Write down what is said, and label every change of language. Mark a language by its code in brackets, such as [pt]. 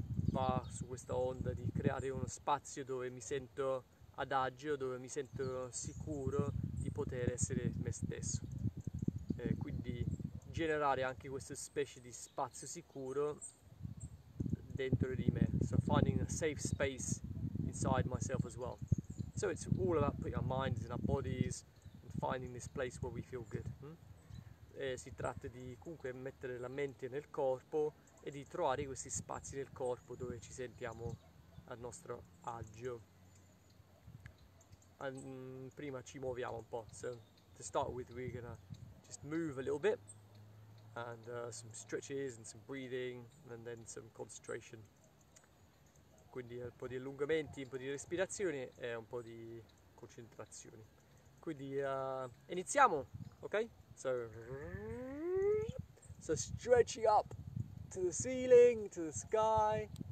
[it] Va su questa onda di creare uno spazio dove mi sento ad agio, dove mi sento sicuro di poter essere me stesso. Quindi generare anche questa specie di spazio sicuro dentro di me. [en] So finding a safe space inside myself as well. So it's all about putting our minds in our bodies and finding this place where we feel good. [it] Si tratta di comunque mettere la mente nel corpo e di trovare questi spazi nel corpo dove ci sentiamo al nostro agio. Prima ci muoviamo un po'. [en] So to start with, we're gonna just move a little bit and some stretches and some breathing and then some concentration. [it] Quindi un po' di allungamenti, un po' di respirazioni e un po' di concentrazioni. Quindi iniziamo, ok? [en] So stretching up to the ceiling, to the sky.